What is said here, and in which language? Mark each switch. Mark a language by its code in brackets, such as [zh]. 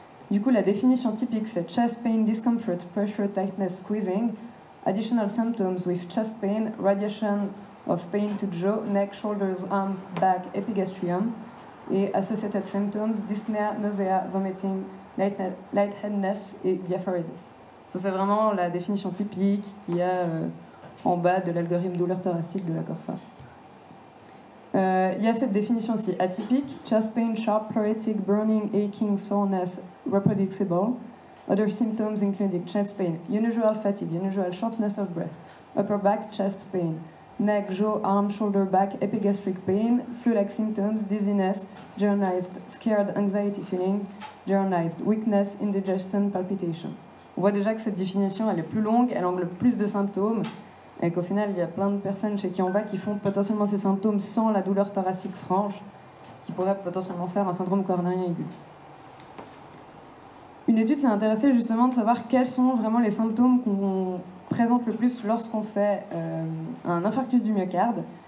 [fr] Du coup, la définition typique, c'est [en] chest pain, discomfort, pressure, tightness, squeezing, additional symptoms with chest pain, radiation of pain to jaw, neck, shoulders, arm, back, epigastrium, et associated symptoms, dyspnea, nausea, vomiting, lightheadedness et diaphoresis. [fr] Ça, c'est vraiment la définition typique qu'il y a en bas de l'algorithme douleur thoracique de la CORFA. Il y a cette définition aussi atypique, [en] chest pain, sharp, pleuritic, burning, aching, soreness, reproducible. Other symptoms including chest pain, unusual fatigue, unusual shortness of breath, upper back, chest pain, neck, jaw, arm, shoulder, back, epigastric pain, flu-like symptoms, dizziness, generalized scared anxiety feeling, generalized weakness, indigestion, palpitation. [fr] On voit déjà que cette définition, elle est plus longue, elle englobe plus de symptômes, et qu'au final, il y a plein de personnes chez qui on va qui font potentiellement ces symptômes sans la douleur thoracique franche, qui pourraient potentiellement faire un syndrome coronarien aigu. Une étude s'est intéressée justement de savoir quels sont vraiment les symptômes qu'on présente le plus lorsqu'on fait un infarctus du myocarde.